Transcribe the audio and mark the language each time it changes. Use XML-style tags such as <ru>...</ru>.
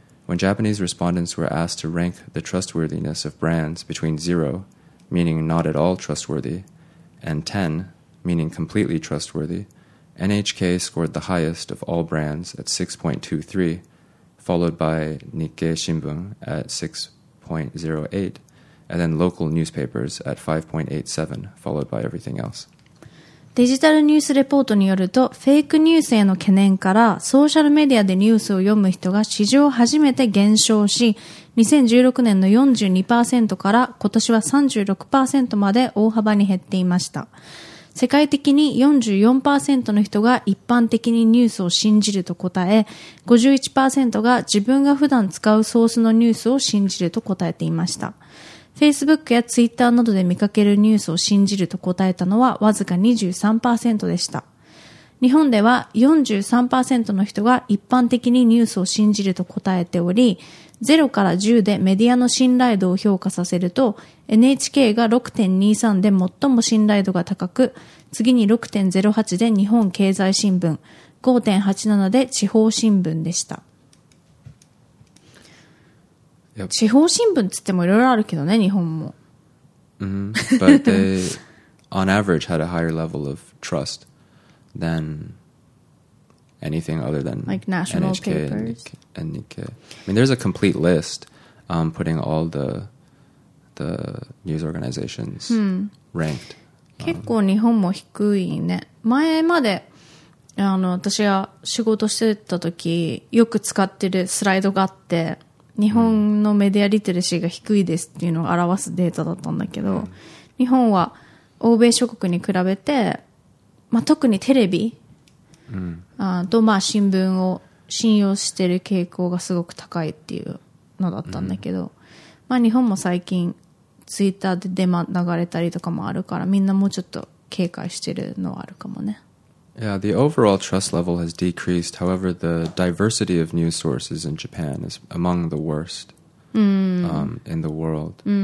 <en>When Japanese respondents were asked to rank the trustworthiness of brands between 0, meaning not at all trustworthy, and 10, meaning completely trustworthy, NHK scored the highest of all brands at 6.23, followed by Nikkei Shimbun at 6.08, and then local newspapers at 5.87, followed by everything else.</en> <ja>デジタルニュースレポートによると、フェイクニュースへの懸念から、ソーシャルメディアでニュースを読む人が史上初めて減少し、2016年の 42% から今年は 36% まで大幅に減っていました。世界的に 44% の人が一般的にニュースを信じると答え、51% が自分が普段使うソースのニュースを信じると答えていました。 Facebook や Twitter などで見かけるニュースを信じると答えたのはわずか 23% でした。日本では 43% の人が一般的にニュースを信じると答えており、0から10でメディアの信頼度を評価させると、NHK が 6.23 で最も信頼度が高く、次に 6.08 で日本経済新聞、5.87 で地方新聞でした。</ja> <en>Yep.</en> <ja>地方新聞つってもいろいろあるけどね、日本も。 Mm-hmm.</ja> <en>But they, on average, had a higher level of trust than anything other than like national NHK papers. And Nikkei. I mean, there's a complete list, putting all the news organizations ranked.</en> <ja>結構日本も低いね。前まで私が仕事してた時、よく使ってるスライドがあって。日本のメディアリテラシーが低いですっていうのを表すデータだったんだけど、うん、日本は欧米諸国に比べて、まあ、特にテレビ、うん、とまあ新聞を信用してる傾向がすごく高いっていうのだったんだけど、うん、まあ日本も最近ツイッターでデマ流れたりとかもあるからみんなもうちょっと警戒してるのはあるかもね。</ja> <en>Yeah, the overall trust level has decreased. However, the diversity of news sources in Japan is among the worst in the world.</en>